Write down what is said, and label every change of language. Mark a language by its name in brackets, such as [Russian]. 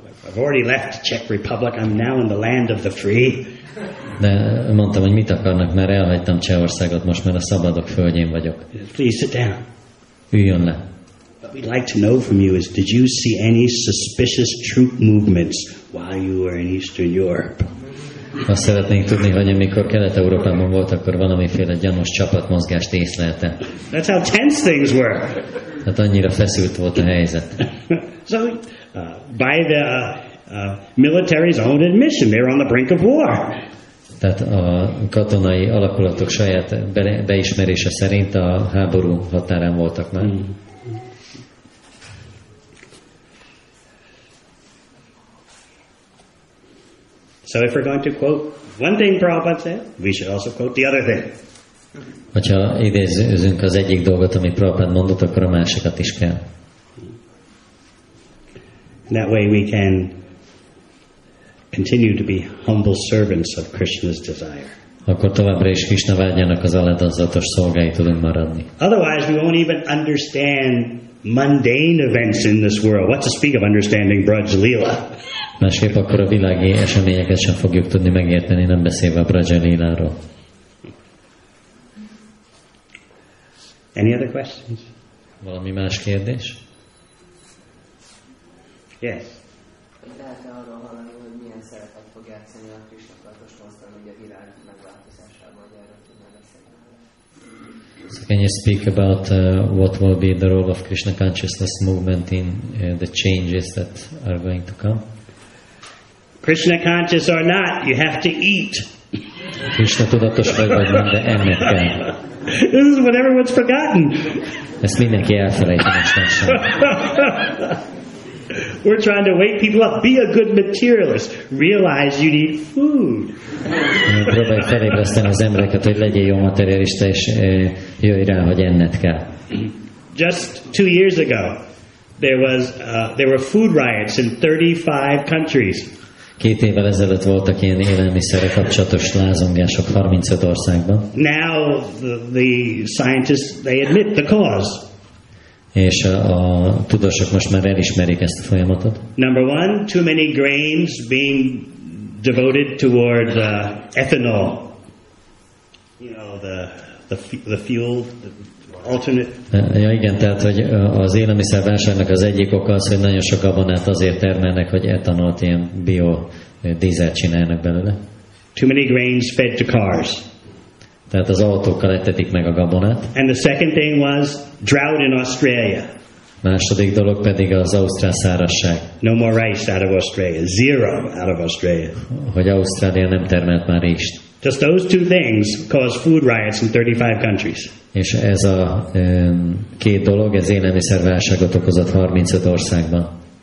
[English] I've already left Czech Republic, I'm now in the land of the free. [Hungarian] De mondtam, hogy mit akarnak, mert elhagytam Csehországot, most már a szabadok földjén vagyok. [English] Please sit down. [Hungarian] Üljön le. [English] What we'd like to know from you is, did you see any suspicious troop movements while you were in Eastern Europe? [Hungarian] Azt szeretnénk tudni, hogy amikor Kelet-Európában volt, akkor valamiféle gyanús csapatmozgást észlelte. [English] That's how tense things were. [Hungarian] Hát annyira feszült volt a helyzet. [English] So, by the military's own admission, they were on the brink of war. [Hungarian] Tehát a katonai alakulatok saját beismerése szerint a háború határán voltak már. [English] So if we're going to quote one thing Prabhupada said, we should also quote the other thing. [Hungarian] Hogyha idézünk az egyik dolgot, ami Prabhupád mondott, akkor a másikat is kell. [English] That way we can continue to be humble servants of Krishna's desire. [Hungarian] akkor továbbra is Krisna vágyának az aláldozatos szolgái tudunk maradni. [English] Otherwise we won't even understand mundane events in this world. What to speak of understanding Braj Leela? [Hungarian] Másképp akkor a világi eseményeket sem fogjuk tudni megérteni, nem beszélve a Braj Leeláról. [English] Any other questions? [Hungarian] Valami más kérdés? [English] Yes. So can you speak about what will be the role of Krishna consciousness movement in the changes that are going to come? Krishna conscious or not, you have to eat. [Hungarian] Krishna tudatos vagy, vagy nem, de ennek kell. [English] This is what everyone's forgotten. [Hungarian] Ezt mindenki elfelejti mostanában. [English] We're trying to wake people up. Be a good materialist. Realize you need food. [Hungarian] Próbálj felébreszteni az embereket, hogy legyél jó materialista, és jöjj rá, hogy enned kell. [English] Just 2 years ago, there were food riots in 35 countries. [Hungarian] Két évvel ezelőtt voltak ilyen élelmiszerre kapcsolatos lázongások 35 országban. [English] Now the scientists, they admit the cause. [Hungarian] És a tudósok most már elismerik ezt a folyamatot. [English] Number one, too many grains being devoted toward ethanol. You know, the fuel, the alternate. [Hungarian] Ja, igen, tehát hogy az élelmiszervásárnak az egyik oka az, hogy nagyon sok gabonát azért termelnek, hogy etanolt, ilyen bio dízelt csinálnak belőle. [English] Too many grains fed to cars. [Hungarian] Tehát az autókkal etetik meg a gabonát. [English] And the second thing was drought in Australia. [Hungarian] Második dolog pedig az ausztrál szárazság. [English] No more rice out of Australia. Zero out of Australia. [Hungarian] Hogy Ausztrália nem termelt már rizst. [English] Just those two things cause food riots in 35 countries. [Hungarian] És ez a két dolog, ez élelmiszerválságot okozott 35 országban.